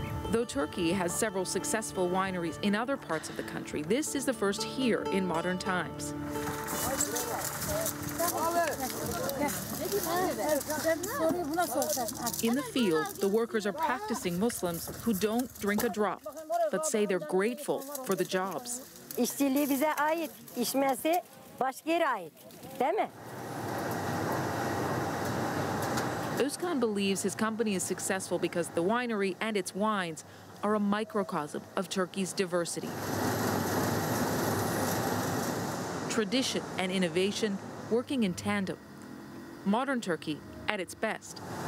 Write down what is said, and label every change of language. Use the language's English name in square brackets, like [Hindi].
[English] Though Turkey has several successful wineries in other parts of the country, this is the first here in modern times. In the field, the workers are practicing Muslims who don't drink a drop, but say they're grateful for the jobs. [Turkish] İşçiliği bize ait, içmesi başka yere ait, değil mi? [English] Özkan believes his company is successful because the winery and its wines are a microcosm of Turkey's diversity. Tradition and innovation working in tandem. Modern Turkey at its best.